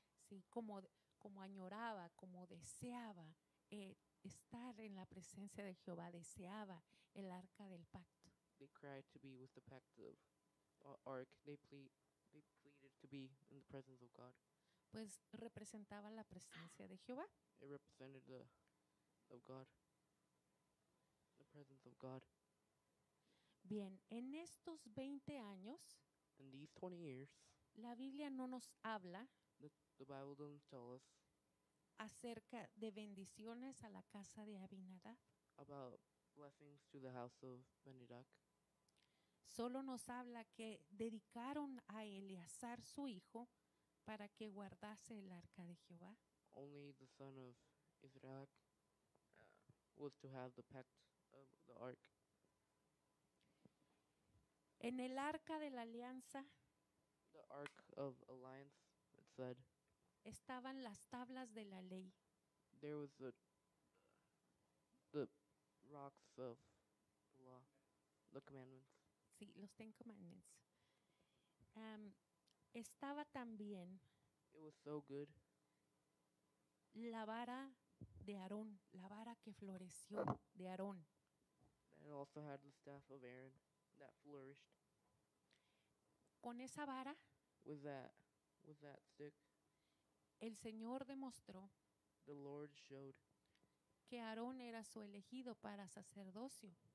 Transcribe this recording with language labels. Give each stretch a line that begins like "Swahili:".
Spanish: Sí, como añoraba, como deseaba estar en la presencia de Jehová, deseaba el arca del pacto.
English: They cried to be with the pact of ark. They pleaded to be in the presence of God.
Spanish: Pues representaba la presencia de Jehová.
English: It represented the of God, the presence of God.
Spanish: Bien, en estos 20 años,
English: in these 20 years,
Spanish: la Biblia no nos habla
English: the Bible doesn't tell us
Spanish: acerca de bendiciones a la casa de Abinadab.
English: About blessings to the house of Abinadab.
Spanish: Solo nos habla que dedicaron a Eleazar su hijo para que guardase el arca de Jehová.
English: Only the son of Israel was to have the pact of the ark.
Spanish: En el arca de la alianza,
English: the ark of alliance, it said,
Spanish: estaban las tablas de la ley.
English: There was the rocks of the law, the commandments.
Spanish: Sí, los Ten Commandments. Estaba también,
English: it was so good,
Spanish: la vara de Aarón, la vara que floreció de Aarón.
English: It also had the staff of Aaron that flourished.
Spanish: Con esa vara,
English: with that stick,
Spanish: el Señor demostró,
English: the Lord showed,
Spanish: que Aarón era su elegido para sacerdocio.